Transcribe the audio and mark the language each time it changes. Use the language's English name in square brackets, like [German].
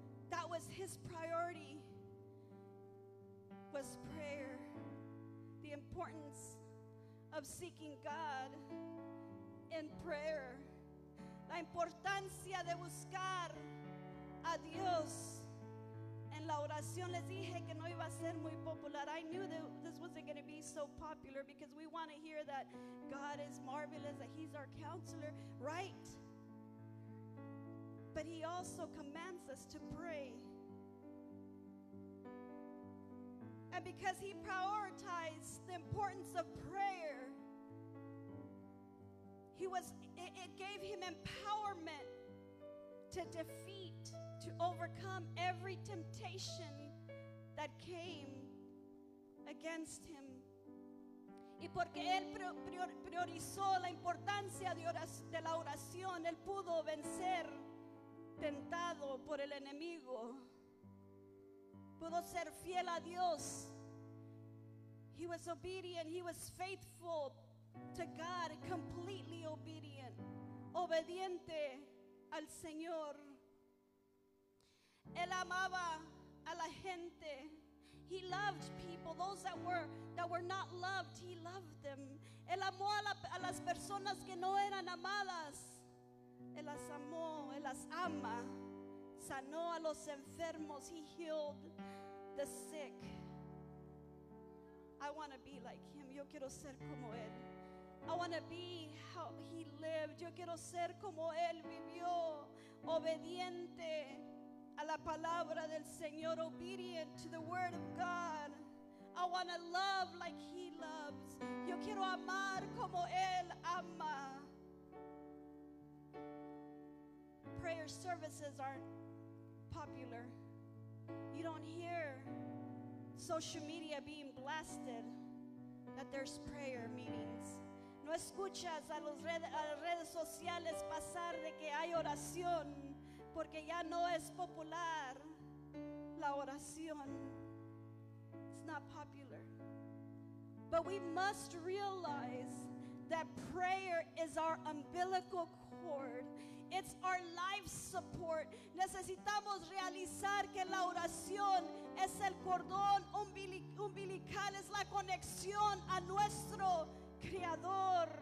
[English] That was his priority, was prayer. The importance of seeking God in prayer. [Spanish] La importancia de buscar a Dios en la oración. Les dije que no iba a ser muy popular. [English] I knew that this wasn't going to be so popular because we want to hear that God is marvelous, that he's our counselor, right? But he also commands us to pray. And because he prioritized the importance of prayer, it gave him empowerment to defeat, to overcome every temptation that came against him. [Spanish] Y porque él priorizó la importancia de la oración, él pudo vencer tentado por el enemigo. Pudo ser fiel a Dios. [English] He was obedient, he was faithful to God, completely obedient, [Spanish] obediente al Señor. Él amaba a la gente. [English] He loved people, those that were not loved, he loved them. [Spanish] Él amó a las personas que no eran amadas. Él las amó, él las ama. Sanó a los enfermos, [English] he healed the sick. I want to be like him. [Spanish] Yo quiero ser como él. [English] I want to be how he lived. [Spanish] Yo quiero ser como él vivió. Obediente a la palabra del Señor. [English] Obedient to the word of God. I want to love like he loves. [Spanish] Yo quiero amar como él ama. [English] Prayer services aren't popular. You don't hear social media being blasted that there's prayer meetings. [Spanish] No escuchas a las redes sociales pasar de que hay oración, porque ya no es popular la oración. [English] It's not popular. But we must realize that prayer is our umbilical cord. It's our life support. [Spanish] Necesitamos realizar que la oración es el cordón umbilical, es la conexión a nuestro Creador.